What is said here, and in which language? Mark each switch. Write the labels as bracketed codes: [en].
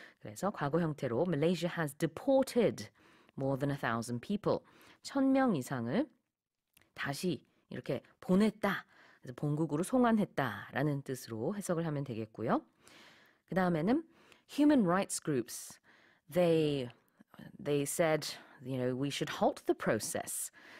[ko] 그래서 과거 형태로 [en] Malaysia has deported more than 1,000 people. [ko] 1,000명 이상을 다시 이렇게 보냈다. 그래서 본국으로 송환했다라는 뜻으로 해석을 하면 되겠고요. 그 다음에는 human rights groups. [en] They said, you know, we should halt the process.